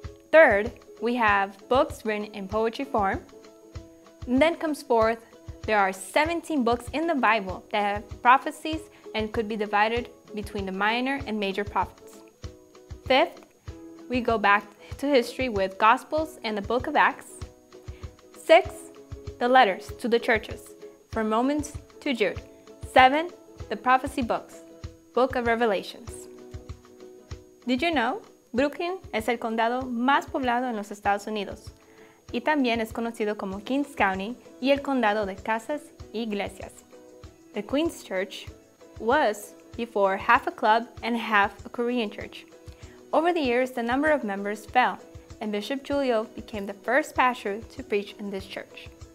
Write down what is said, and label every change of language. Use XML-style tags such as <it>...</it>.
<en>Third, we have books written in poetry form. And then comes fourth, there are 17 books in the Bible that have prophecies and could be divided between the minor and major prophets. Fifth, we go back to history with Gospels and the Book of Acts. Sixth, the letters to the churches, from Romans to Jude. Seventh, the prophecy books, Book of Revelations. Did you know Brooklyn</en> <es>es el condado más poblado en los Estados Unidos? Y también es conocido como Kings County y el condado de casas y iglesias.</es> <en>The Queen's Church was before half a club and half a Korean church. Over the years, the number of members fell, and Bishop Julio became the first pastor to preach in this church.</en>